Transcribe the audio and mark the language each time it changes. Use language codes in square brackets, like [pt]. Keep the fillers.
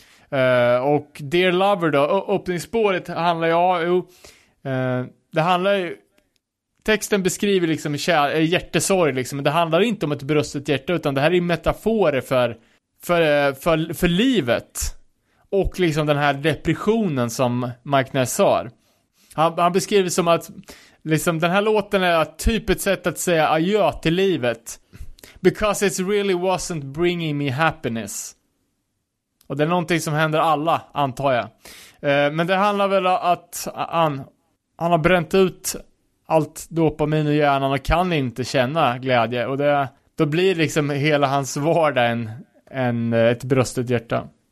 [sv] Eh, och Dear Lover då, ö- öppningsspåret handlar ju, ja, jo, eh, det handlar ju, texten beskriver liksom kär, eh, hjärtesorg liksom, men det handlar inte om ett bröstet hjärta utan det här är metaforer för, för, eh, för, för livet. Och liksom den här depressionen som Mike Ness har. Han, han beskriver som att Liksom den här låten är typ ett sätt att säga adjö till livet. [en] Because it really wasn't bringing me happiness. [sv] Och det är någonting som händer alla, antar jag. Eh, men det handlar väl om att han, han har bränt ut allt dopamin i hjärnan och kan inte känna glädje. Och det, då blir liksom hela hans vardag en, en, eh, ett bröstet hjärta.